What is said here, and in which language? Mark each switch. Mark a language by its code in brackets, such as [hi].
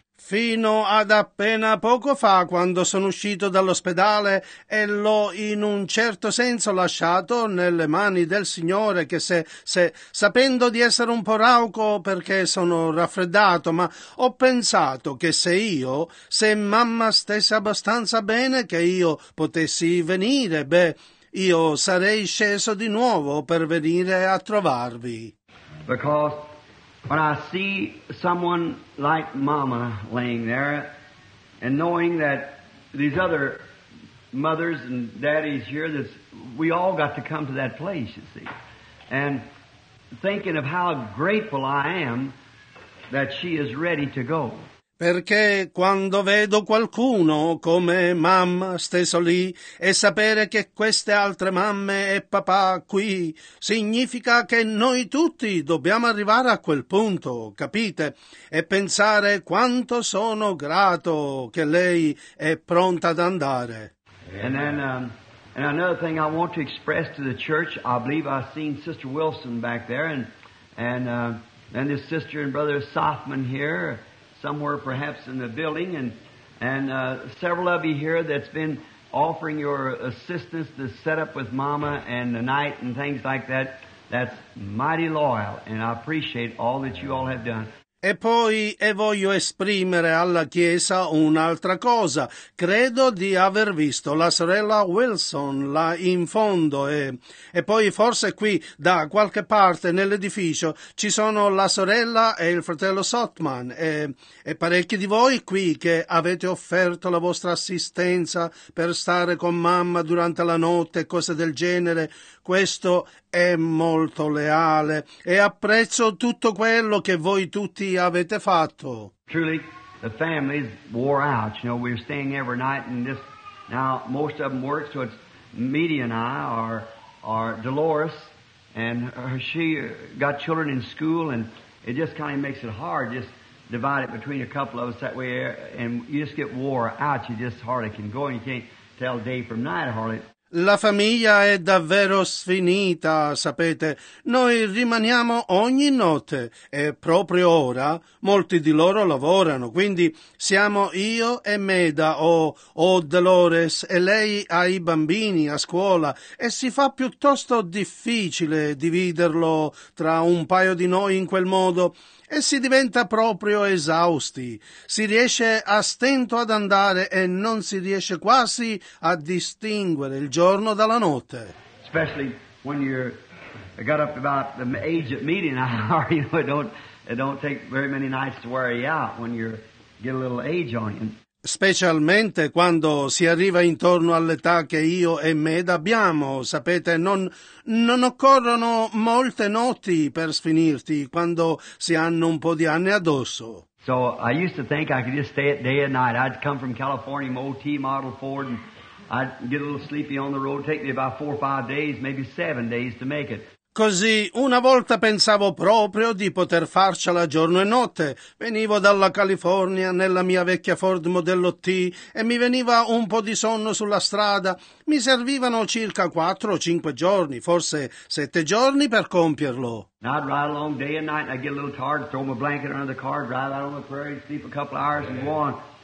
[it] Fino ad appena poco fa, quando sono uscito dall'ospedale e l'ho in un certo senso lasciato nelle mani del Signore, che se sapendo di essere un po' rauco perché sono raffreddato, ma ho pensato che se mamma stesse abbastanza bene, che io potessi venire, io sarei sceso di nuovo per venire a trovarvi. [en] Because when I see someone like Mama laying there, and knowing that these other mothers and daddies here, that we all got to come to that place, you see. And thinking of how grateful I am that she is ready to go. [it] Perché quando vedo qualcuno come mamma steso lì e sapere che queste altre mamme e papà qui, significa che noi tutti dobbiamo arrivare a quel punto, capite? E pensare quanto sono grato che lei è pronta ad andare. [en] And then and another thing I want to express to the church, I believe I've seen Sister Wilson back there and this sister and brother Softman here, somewhere perhaps in the building, and several of you here that's been offering your assistance to set up with Mama and the night and things like that, that's mighty loyal, and I appreciate all that you all have done. [it] E poi voglio esprimere alla Chiesa un'altra cosa. Credo di aver visto la sorella Wilson là in fondo e poi forse qui da qualche parte nell'edificio ci sono la sorella e il fratello Sotman e parecchi di voi qui che avete offerto la vostra assistenza per stare con mamma durante la notte e cose del genere. Questo è molto leale e apprezzo tutto quello che voi tutti avete fatto. [en] Truly, the family's wore out. You know, we're staying every night, and this now most of them work, so it's Media and I are Dolores, and she got children in school, and it just kind of makes it hard just divide it between a couple of us that way, and you just get wore out. You just hardly can go, and you can't tell day from night hardly. [it] La famiglia è davvero sfinita, sapete. Noi rimaniamo ogni notte e proprio ora molti di loro lavorano. Quindi siamo io e Meda o Dolores e lei ha i bambini a scuola e si fa piuttosto difficile dividerlo tra un paio di noi in quel modo. E si diventa proprio esausti, si riesce a stento ad andare e non si riesce quasi a distinguere il giorno dalla notte. [en] Especially when you got up about the age of meeting hour, you know, it don't take very many nights to wear you out when you get a little age on you. [it] Specialmente quando si arriva intorno all'età che io e Meda abbiamo, sapete, non occorrono molte notti per sfinirti quando si hanno un po' di anni addosso. [en] So I used to think I could just stay at day and night. I'd come from California, my old T model Ford, and I'd get a little sleepy on the road, take me about 4 or 5 days, maybe 7 days to make it. [it] Così una volta pensavo proprio di poter farcela giorno e notte. Venivo dalla California nella mia vecchia Ford modello T e mi veniva un po' di sonno sulla strada. Mi servivano circa 4 o 5 giorni, forse 7 giorni per compierlo. [en] I'd ride along day and night, I'd get a little tired, throw my blanket under the car, drive out on the prairie, sleep a couple of hours and go on.